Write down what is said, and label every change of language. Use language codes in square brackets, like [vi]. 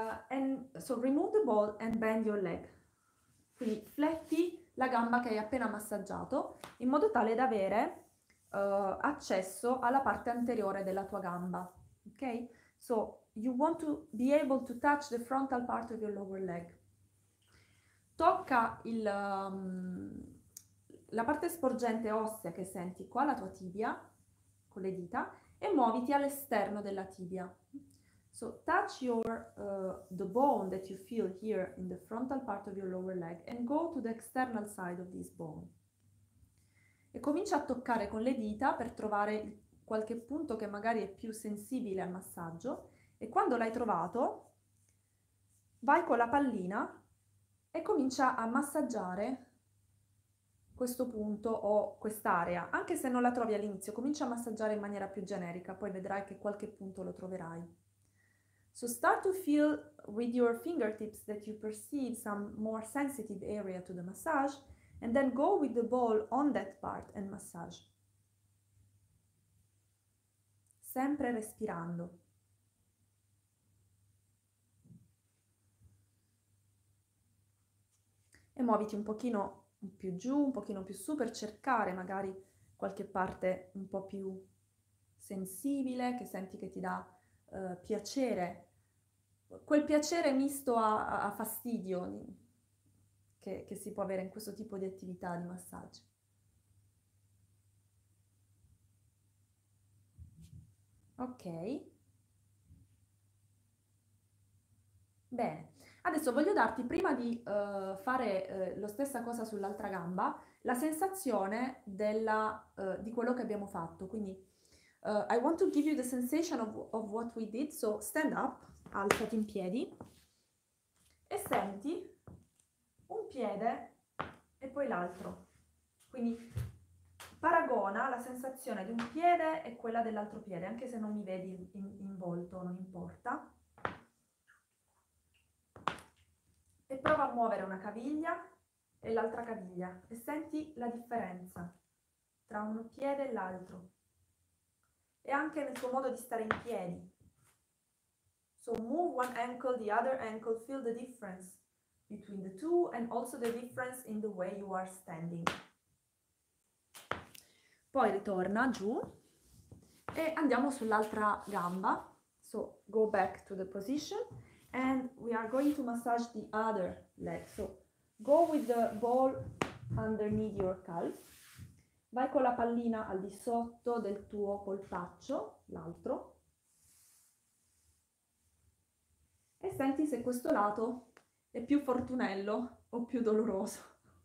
[en] And so remove the ball and bend your leg. [it] Quindi fletti la gamba che hai appena massaggiato in modo tale da avere accesso alla parte anteriore della tua gamba. Ok? [en] So you want to be able to touch the frontal part of your lower leg. [it] Tocca la parte sporgente ossea che senti qua, la tua tibia, con le dita, e muoviti all'esterno della tibia. [en] So touch the bone that you feel here in the frontal part of your lower leg and go to the external side of this bone. [it] E comincia a toccare con le dita per trovare qualche punto che magari è più sensibile al massaggio. E quando l'hai trovato, vai con la pallina e comincia a massaggiare questo punto o quest'area. Anche se non la trovi all'inizio, comincia a massaggiare in maniera più generica, poi vedrai che qualche punto lo troverai. [en] So start to feel with your fingertips that you perceive some more sensitive area to the massage. And then go with the ball on that part and massage. [it] Sempre respirando. E muoviti un pochino più giù, un pochino più su per cercare magari qualche parte un po' più sensibile che senti che ti dà piacere. Quel piacere misto a fastidio. Che si può avere in questo tipo di attività di massaggio. Ok. Bene, adesso voglio darti, prima di fare la stessa cosa sull'altra gamba, la sensazione di quello che abbiamo fatto. [en] Quindi, I want to give you the sensation of what we did. So, stand up, [it] alzati in piedi e senti. Piede e poi l'altro. Quindi paragona la sensazione di un piede e quella dell'altro piede, anche se non mi vedi in volto, non importa. E prova a muovere una caviglia e l'altra caviglia e senti la differenza tra uno piede e l'altro. E anche nel tuo modo di stare in piedi. [en] So move one ankle, the other ankle, feel the difference. Between the two and also the difference in the way you are standing. [it] Poi ritorna giù e andiamo sull'altra gamba. [en] So go back to the position and we are going to massage the other leg. So go with the ball underneath your calf. [it] Vai con la pallina al di sotto del tuo polpaccio, l'altro. E senti se questo lato è più fortunello o più doloroso.